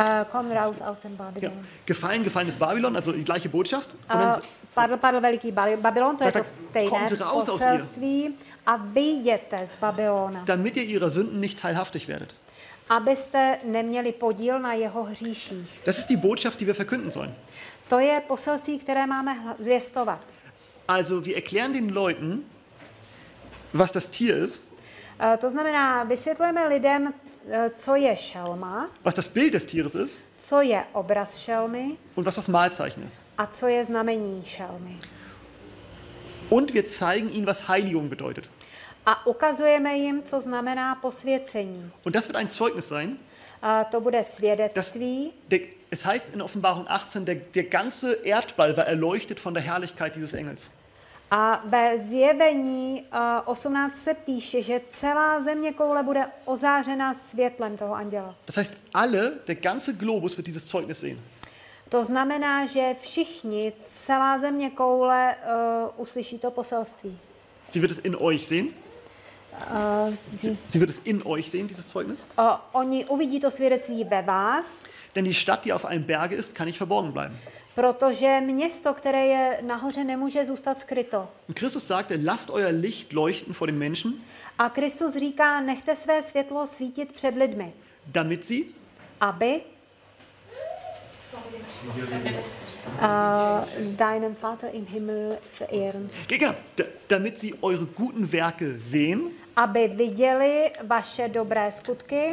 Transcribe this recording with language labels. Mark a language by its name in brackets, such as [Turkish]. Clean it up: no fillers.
[German] Komm raus aus dem Babylon. Ja. Gefallen, gefallen ist Babylon, also die gleiche Botschaft. [Czech] Padl veliký Babylon, to je to stejné poselství. A vyjděte z Babylona. [German] Damit ihr ihrer Sünden nicht teilhaftig werdet. [Czech] Abyste neměli podíl na jeho hříších. [German] Das ist die Botschaft, die wir verkünden sollen. [Czech] To je poselství, které máme zvěstovat. [German] Also wir erklären den Leuten, was das Tier ist. [Czech] To znamená, vysvětlujeme lidem, co je šelma. [German] Was das Bild des Tieres ist. [Czech] Co je obraz šelmy. [German] Und was das Malzeichen ist. [Czech] A co je znamení šelmy. [German] Und wir zeigen ihnen, was Heiligung bedeutet. [Czech] A ukazujeme jim, co znamená posvěcení. [German] Und das wird ein Zeugnis sein. [Czech] A to bude svědectví. [German] Es heißt in Offenbarung 18, der ganze Erdball war erleuchtet von der Herrlichkeit dieses Engels. [Czech] A ve zjevení 18 se píše, že celá země koule bude ozářena světlem toho anděla. [German] Das heißt, alle, der ganze Globus wird dieses Zeugnis sehen. [Czech] To znamená, že všichni, celá země koule uslyší to poselství. [German] Sie wird es in euch sehen. Sie wird es in euch sehen, dieses Zeugnis. [Czech] Oni uvidí to svědectví ve vás. [German] Denn die Stadt, die auf einem Berge ist, kann nicht verborgen bleiben. [Czech] Protože město, které je nahoře, nemůže zůstat skryto. [German] Christus sagte, lasst euer Licht leuchten vor den Menschen. [Czech] A Kristus říká, nechte své světlo svítit před lidmi. [German] Damit sie. [Czech] Aby. [German] Deinem Vater im Himmel verehren. Genau, damit sie eure guten Werke sehen. [Czech] Aby viděli vaše dobré skutky.